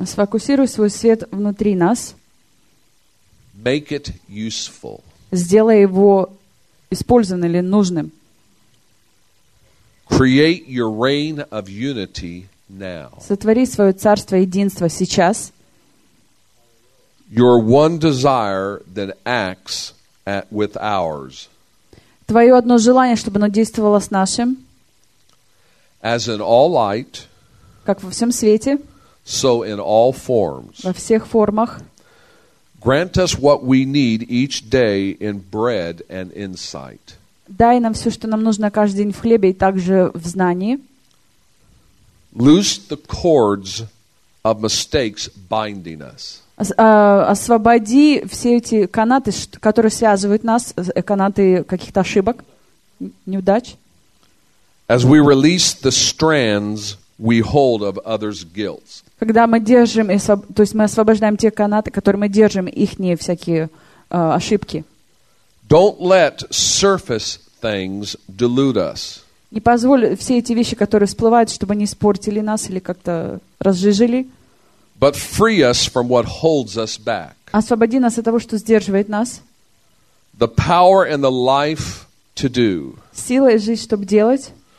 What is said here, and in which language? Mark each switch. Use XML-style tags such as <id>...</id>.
<ru>Сфокусируй свой свет внутри нас.</ru> <en>Make it useful.</en> <ru>Сделай его использованным или нужным.</ru> <en>Create your reign of unity now.</en> <ru>Сотвори свое царство единства сейчас.</ru> <en>Your one desire then acts at with ours.</en> <ru>Твое одно желание, чтобы оно действовало с нашим.</ru> <en>As in all light.</en> <ru>Как во всем свете.</ru> <en>So in all forms.</en> <ru>Во всех формах.</ru> <en>Grant us what we need each day in bread and insight.</en> <ru>Дай нам все, что нам нужно каждый день в хлебе и также в знании.</ru> <en>Loose the cords of mistakes binding us.</en> <ru>Освободи все эти канаты, которые связывают нас, канаты каких-то ошибок, неудач.</ru> <en>As we release the strands we hold of others' guilt.</en> <ru>Когда мы держим, то есть мы освобождаем те канаты, которые мы держим, их не всякие ошибки.</ru> <en>Don't let surface things delude us.</en> <ru>Не позволь все эти вещи, которые всплывают, чтобы они испортили нас или как-то разжижили.</ru> <en>But free us from what holds us back.</en> <ru>Освободи нас от того, что сдерживает нас.</ru> <en>The power and the life to do.</en> <ru>Сила и жизнь, чтобы делать.</ru>